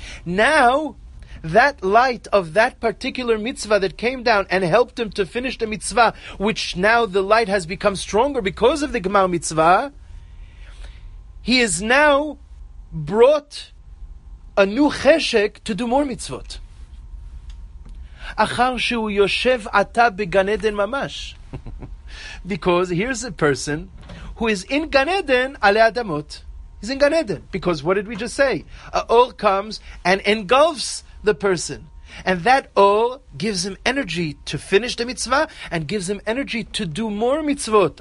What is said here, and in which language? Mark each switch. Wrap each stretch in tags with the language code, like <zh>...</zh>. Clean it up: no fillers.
<en>Now, that light of that particular mitzvah that came down and helped him to finish the mitzvah, which now the light has become stronger because of the Gemar mitzvah, he is now brought a new cheshek to do more mitzvot.</en> <he>אחר שהוא יושב עתה בגן עדן ממש.</he> <en>Because here's a person who is in Gan Eden ale adamot. He's in Gan Eden. Because what did we just say? A or comes and engulfs the person. And that or gives him energy to finish the mitzvah and gives him energy to do more mitzvot.</en>